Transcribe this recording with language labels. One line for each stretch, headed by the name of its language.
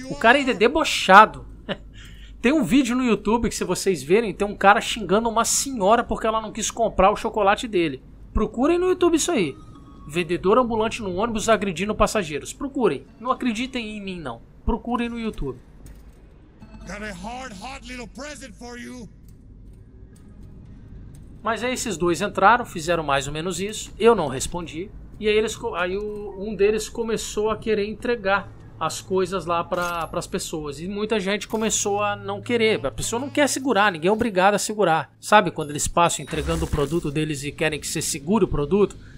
Portuguese: O cara ainda é debochado. Tem um vídeo no YouTube que, se vocês verem, tem um cara xingando uma senhora porque ela não quis comprar o chocolate dele. Procurem no YouTube isso aí. Vendedor ambulante no ônibus agredindo passageiros. Procurem. Não acreditem em mim, não. Procurem no YouTube.
English: Got a hard, hot little present for you.
Portuguese: Mas aí esses dois entraram, fizeram mais ou menos isso. Eu não respondi. E aí, um deles começou a querer entregar as coisas lá para as pessoas. E muita gente começou a não querer. A pessoa não quer segurar, ninguém é obrigado a segurar. Sabe quando eles passam entregando o produto deles e querem que você segure o produto?